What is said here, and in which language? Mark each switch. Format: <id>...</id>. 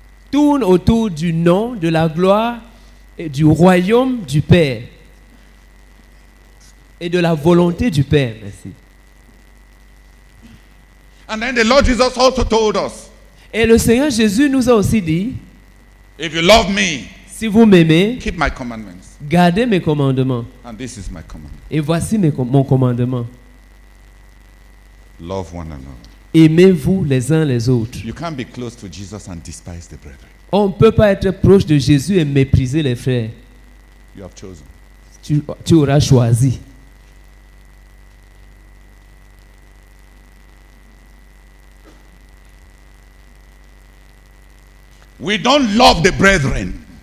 <fr>Tourne autour du nom, de la gloire et du royaume du Père et de la volonté du Père. Merci.</fr> <en>And then the Lord Jesus also told us.</en> <fr>Et le Seigneur Jésus nous a aussi dit.</fr> <en>If you love me,</en> <fr>si vous m'aimez,</fr> <en>keep my commandments.</en> <fr>Gardez mes commandements.</fr> <en>And this is my commandment.</en> <fr>Et voici mon commandement.</fr> <en>Love one another.</en> <fr>Aimez-vous les uns les autres.</fr> <en>You can't be close to Jesus and despise the brethren.</en> <fr>On ne peut pas être proche de Jésus et mépriser les frères.</fr> <en>You have chosen.</en> <fr>Tu auras choisi.</fr> <en>We don't love the brethren.</en>